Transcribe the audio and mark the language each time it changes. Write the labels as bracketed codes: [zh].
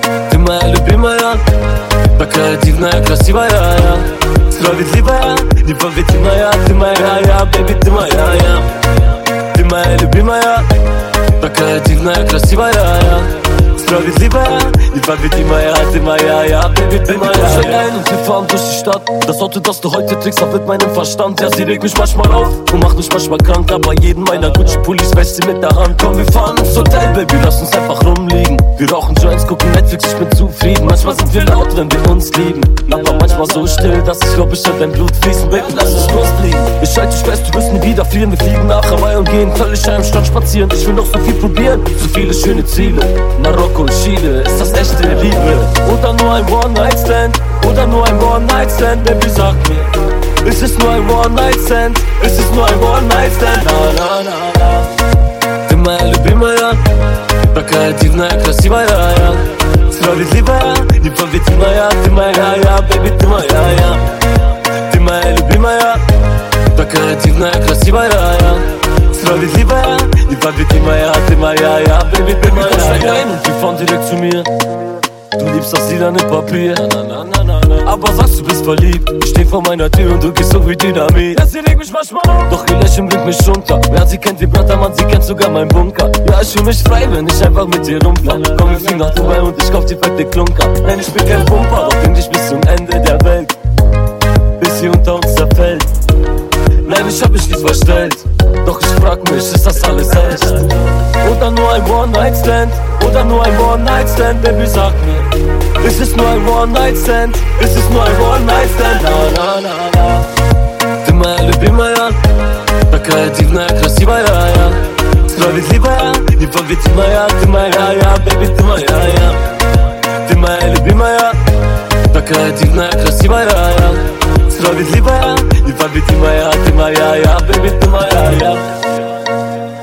[ru] Ты моя любимая, такая дивная, красивая. Справедливая, непобедимая. Ты моя, baby, ты моя, я. Ты моя любимая, такая дивная, красивая. Справедливая, непобедимая. Ты моя, baby, ты моя. [de] Ich bin allein und tief an durch die Stadt. Das Auto, das du heute trägst, hat mit meinem Verstand. Ja, sie regt mich manchmal auf und macht mich manchmal krank. Aber jeden meiner Gucci-Pullis wäscht sie mit der Hand. Komm, wir fahren ins Hotel, baby, lass uns einfach rumliegen. Wir rauchen Joints, gucken Netflix, ich bin zufrieden. Manchmal sind wir laut, wenn wir uns lieben. Aber manchmal so still, dass ich glaub, ich hör dein Blut fließen. Baby, lass uns losfliegen. Ich halte dich fest, du wirst nie wieder frieren. Wir fliegen nach Hawaii und gehen völlig am Strand spazieren. Ich will noch so viel probieren, so viele schöne Ziele. Marokko und Chile, ist das echte Liebe? Oder nur ein One-Night-Stand? Oder nur ein One-Night-Stand? Baby, sag mir, ist es nur ein One-Night-Stand? Ist es nur ein One-Night-Stand? Na, na, na, na. Immer lieb immer ja. [ru] Такая дивная, красивая. Справедливая, непобедимая. Ты моя, baby, ты моя, я. Ты моя любимая. Такая дивная, красивая. Справедливая, непобедимая. Ты моя, baby, ты моя, я. [de] Baby, komm schon rein und wir fahren direkt zu mir. Du liebst das Lila mit Papier. Aber sagst du bist verliebt. Ich steh vor meiner Tür und du gehst so wie Dynamit. Ja, sie legt mich manchmal auf. Doch ihr Lächeln bringt mich runter. Ja, sie kennt den Blattermann, sie kennt sogar meinen Bunker. Ja, ich fühl mich frei, wenn ich einfach mit dir rumfahr. Komm, wir fliegen nach Dubai und ich kauf dir fette Klunker. Nein, ich bin kein Pumper, doch bring dich bis zum Ende der Welt. Bis sie unter uns zerfällt. Nein, ich hab mich nicht verstellt. Doch ich frag mich, ist das alles echt? Oder nur ein One-Night-Stand? Oder nur ein One-Night-Stand? Baby, sag mir, ist es nur ein One-Night-Stand? Ist es nur ein One-Night-Stand? Na, na, na, na. [ru] Ты моя любимая, такая дивная, красивая, я. Справедливая, непобедимая. Ты моя, baby, ты моя, я. Ты моя любимая, такая дивная, красивая, я. Справедливая, непобедимая. Ты моя, baby, ты моя, я.